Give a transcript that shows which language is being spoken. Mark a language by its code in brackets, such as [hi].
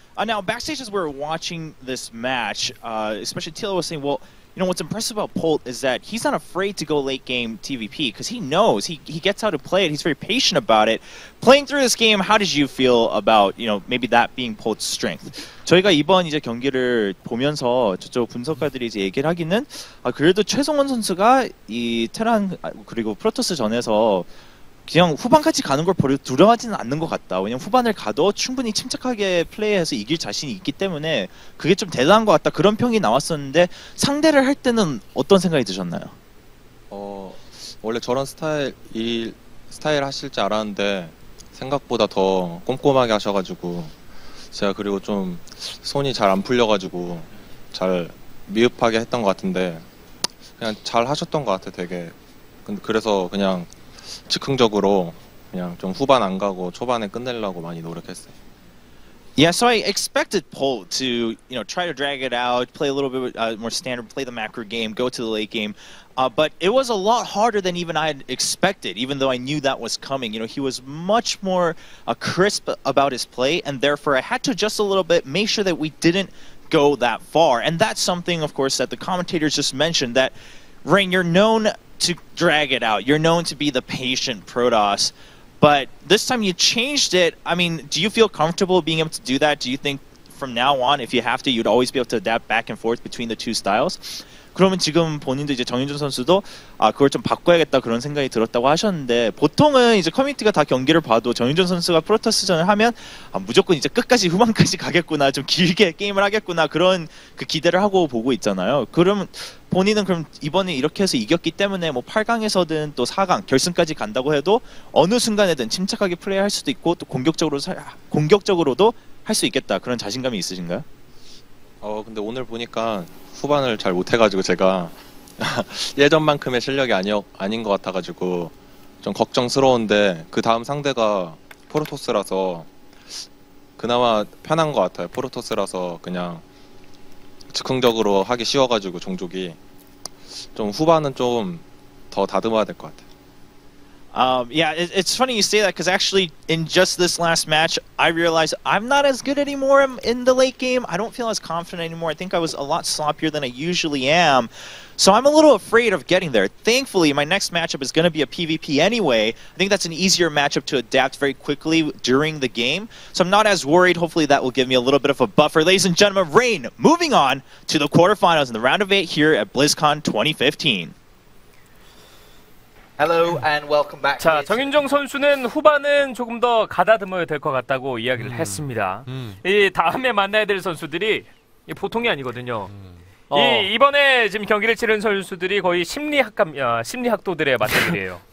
[en] Now, backstage as we were watching this match, especially Tilo was saying, well, you know, what's impressive about Polt is that he's not afraid to go late game TVP because he knows, he gets how to play it. He's very patient about it. Playing through this game, how did you feel about, you know, maybe that being Polt's strength? [ko] 저희가 이번 이제 경기를 보면서 저쪽 분석가들이 이제 얘기를 하기는 아, 그래도 최성원 선수가 이 테란 그리고 프로토스 전에서 그냥 후반까지 가는 걸 별로 두려워하지는 않는 것 같다. 왜냐면 후반을 가도 충분히 침착하게 플레이해서 이길 자신이 있기 때문에 그게 좀 대단한 것 같다. 그런 평이 나왔었는데 상대를 할 때는 어떤 생각이 드셨나요? 원래 저런 스타일 하실 줄 알았는데 생각보다 더 꼼꼼하게 하셔가지고 제가 그리고 좀 손이 잘 안 풀려가지고 잘 미흡하게 했던 것 같은데 그냥 잘 하셨던 것 같아 되게. 근데 그래서 그냥 즉흥적으로 그냥 좀 후반 안 가고 초반에 끝내려고 많이 노력했어요. [en] Yeah, so I expected Polt to, you know, try to drag it out, play a little bit more standard, play the macro game, go to the late game. But it was a lot harder than even I had expected, even though I knew that was coming. You know, he was much more crisp about his play, and therefore I had to adjust a little bit, make sure that we didn't go that far. And that's something, of course, that the commentators just mentioned, that Rain, you're known to drag it out. You're known to be the patient Protoss. But this time you changed it. I mean, do you feel comfortable being able to do that? Do you think from now on, if you have to, you'd always be able to adapt back and forth between the two styles? [ko] 그러면 지금 본인도 이제 정윤정 선수도 아 그걸 좀 바꿔야겠다 그런 생각이 들었다고 하셨는데 보통은 이제 커뮤니티가 다 경기를 봐도 정윤정 선수가 프로토스전을 하면 아 무조건 이제 끝까지 후반까지 가겠구나 좀 길게 게임을 하겠구나 그런 그 기대를 하고 보고 있잖아요. 그럼 본인은 그럼 이번에 이렇게 해서 이겼기 때문에 뭐 8강에서든 또 4강 결승까지 간다고 해도 어느 순간에든 침착하게 플레이할 수도 있고 또 공격적으로도 할 수 있겠다 그런 자신감이 있으신가요? 근데 오늘 보니까 후반을 잘 못해가지고 제가 예전만큼의 실력이 아닌 것 같아가지고 좀 걱정스러운데 그 다음 상대가 프로토스라서 그나마 편한 것 같아요. 프로토스라서 그냥 즉흥적으로 하기 쉬워가지고 종족이 좀 후반은 좀 더 다듬어야 될 것 같아요. [en] Yeah, it's funny you say that because actually in just this last match, I realized I'm not as good anymore in the late game. I don't feel as confident anymore. I think I was a lot sloppier than I usually am. So I'm a little afraid of getting there. Thankfully, my next matchup is going to be a PvP anyway. I think that's an easier matchup to adapt very quickly during the game. So I'm not as worried. Hopefully that will give me a little bit of a buffer. Ladies and gentlemen, Rain, moving on to the quarterfinals in the round of eight here at BlizzCon 2015. Hello and welcome back. [ko] 자, 정윤정 선수는 후반은 조금 더 가다듬어야 될 것 같다고 이야기를 했습니다. 이 다음에 만나야 될 선수들이 보통이 아니거든요. 이번에 지금 경기를 치른 선수들이 거의 심리학도들의 맞대결이에요.